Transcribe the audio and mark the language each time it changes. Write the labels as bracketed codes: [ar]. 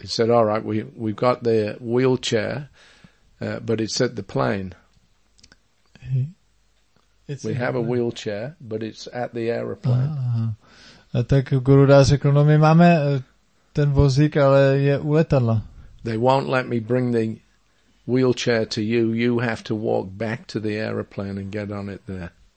[en] He said, "All right, we've got the wheelchair, but it's at the plane." We have a wheelchair, but it's at the aeroplane. [cs] A tak Gurudas řekl, no my máme ten vozík, ale je u letadla. [en] They won't let me bring the wheelchair to you. You have to walk back to the aeroplane and get on it there.